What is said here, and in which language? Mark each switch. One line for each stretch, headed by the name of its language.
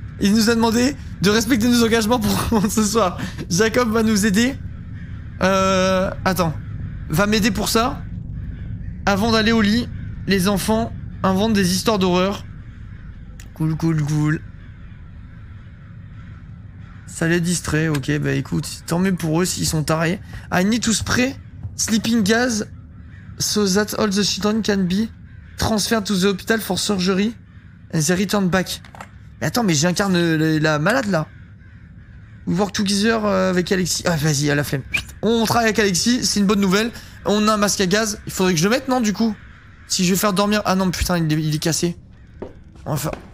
French: Il nous a demandé de respecter nos engagements pour ce soir. Jacob va nous aider. Attends. va m'aider pour ça. Avant d'aller au lit, les enfants inventent des histoires d'horreur. Cool, cool, cool. Ça les distrait, ok, bah écoute, tant mieux pour eux s'ils sont tarés.
English: I need to spray sleeping gas so that all the children can be transferred to the hospital for surgery and they return back.
French: Mais attends, mais j'incarne la malade là.
English: We work together
French: avec Alexis. Ah, vas-y, à la flemme. On travaille avec Alexis, c'est une bonne nouvelle. On a un masque à gaz, il faudrait que je le mette, non, du coup. Si je vais faire dormir. Ah non, putain, il est cassé. On va faire.